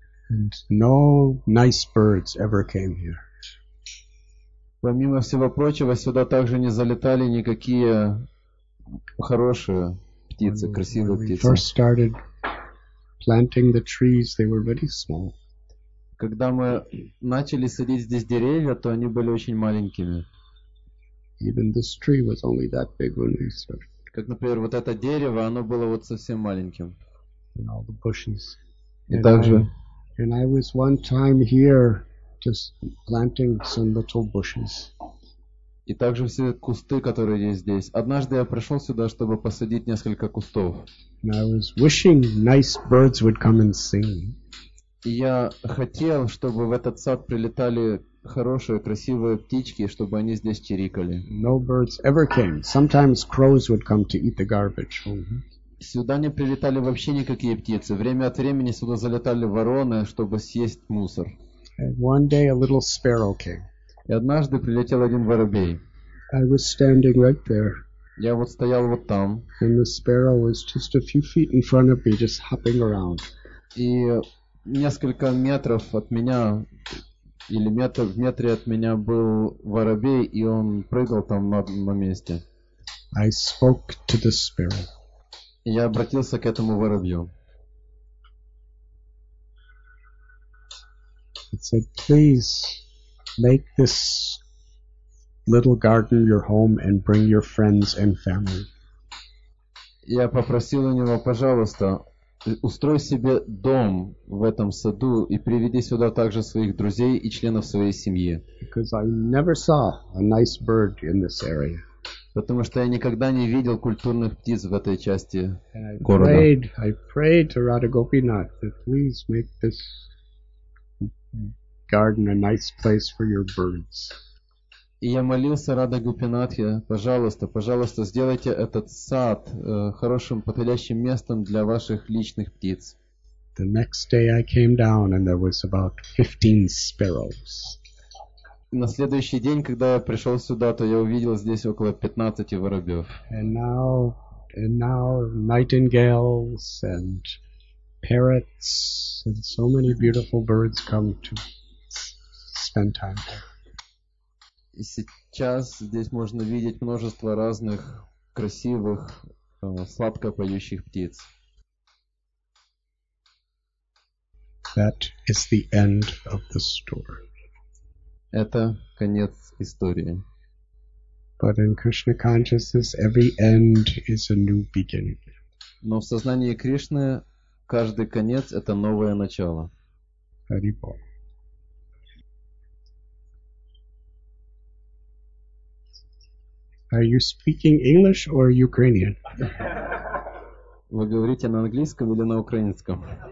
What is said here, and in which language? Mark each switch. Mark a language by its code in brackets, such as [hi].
[en] And no nice birds ever came here. [ru] Помимо всего прочего, сюда также не залетали никакие хорошие птицы, красивые птицы. [en] When we first started planting the trees, they were very small. [ru] Когда мы начали садить здесь деревья, то они были очень маленькими. [en] Even this tree was only that big when we started. [ru] Как, например, вот это дерево, оно было вот совсем маленьким. [en] And all the bushes. [ru] И также. [en] And I was one time here just planting some little bushes. [ru] И также все кусты, которые есть здесь. Однажды я пришел сюда, чтобы посадить несколько кустов. [en] And I was wishing nice birds would come and sing. [ru] И я хотел, чтобы в этот сад прилетали хорошие, красивые птички, чтобы они здесь чирикали. [en] No birds ever came. Sometimes crows would come to eat the garbage. Mm-hmm. [ru] Сюда не прилетали вообще никакие птицы. Время от времени сюда залетали вороны, чтобы съесть мусор. [en] And one day a little sparrow came. [ru] И однажды прилетел один воробей. [en] I was standing right there. [ru] Я вот стоял вот там. [en] And the sparrow was just a few feet in front of me, just hopping around. [ru] И несколько метров от меня, или метр, в метре от меня был воробей, и он прыгал там на месте. [en] I spoke to the sparrow. [ru] Я обратился к этому воробью. [en] It said, please make this little garden your home and bring your friends and family. [ru] Я попросил у него, пожалуйста, устрой себе дом в этом саду и приведи сюда также своих друзей и членов своей семьи. [en] Because I never saw a nice bird in this area. [ru] Потому что я никогда не видел культурных птиц в этой части города. [en] I prayed to Radha Gopinath that please make this garden a nice place for your birds. [ru] И я молился Радхе Гопинатхе, пожалуйста, пожалуйста, сделайте этот сад хорошим, подходящим местом для ваших личных птиц. [en] The next day I came down and there was about 15 sparrows. [ru] На следующий день, когда я пришел сюда, то я увидел здесь около 15 воробьев. [en] And now nightingales and parrots and so many beautiful birds come to spend time here. [ru] И сейчас здесь можно видеть множество разных красивых, сладко поющих птиц. [en] That is the end of the story. [ru] Это конец истории. [en] But in Krishna consciousness, every end is a new beginning. [ru] Но в сознании Кришны каждый конец — это новое начало. [bn] Hari Bol. [en] Are you speaking English or Ukrainian? [ru] Вы говорите на английском или на украинском?